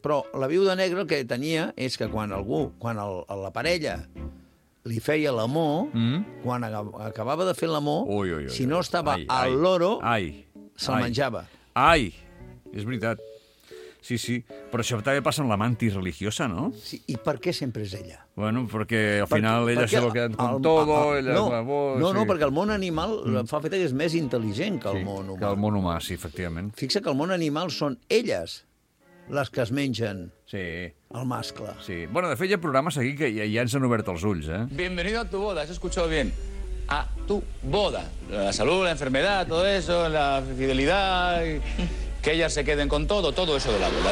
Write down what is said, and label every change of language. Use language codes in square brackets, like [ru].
[ca] Però la viuda negra el que tenia és que quan algú, quan la parella... li feia l'amor, quan acabava de fer l'amor, si no estava al loro, se'l menjava. Ai, és veritat. Sí, sí. Però això també passa amb la mantis religiosa, no? Sí, i per què sempre és ella? [es] Bueno, perquè al final ella se lo queda con todo, ella es la voz... [ca] No, perquè el món animal fa fet que és més intel·ligent que el món humà. Que el món humà, sí, efectivament. Fixa que el món animal són elles les que es mengen. Sí. El mascle. Sí. Bueno, de fet, hi ha programes aquí que ja ens han obert els ulls, eh? [es] Bienvenido a tu boda, has escuchado bien. A tu boda. La salud, la enfermedad, todo eso, la fidelidad... Que ellas se queden con todo, todo eso de la boda.